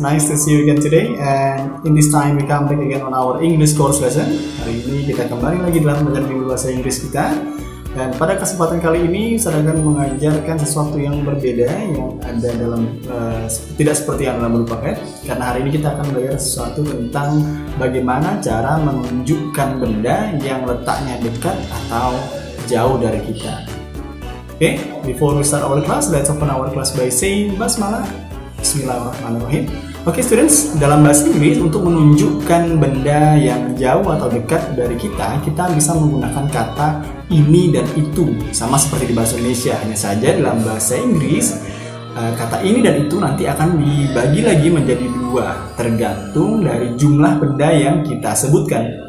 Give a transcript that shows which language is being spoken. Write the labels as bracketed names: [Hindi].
[English] Nice to see you again today. And in this time, we come back again on our English course lesson. [Indonesian] Hari ini kita kembali lagi dalam belajar minggu bahasa Inggris kita. Dan pada kesempatan kali ini, saya akan mengajarkan sesuatu yang berbeda yang ada dalam tidak seperti yang dalam bentuk paket. Karena hari ini kita akan belajar sesuatu tentang bagaimana cara menunjukkan benda yang letaknya dekat atau jauh dari kita. [English] Oke, okay, before we start our class, let's open our class by saying basmalah. [Arabic] Bismillahirrahmanirrahim. [English] Okay, students, [Indonesian] dalam bahasa Inggris, untuk menunjukkan benda yang jauh atau dekat dari kita, kita bisa menggunakan kata ini dan itu. Sama seperti di bahasa Indonesia, hanya saja dalam bahasa Inggris, kata ini dan itu nanti akan dibagi lagi menjadi dua, tergantung dari jumlah benda yang kita sebutkan.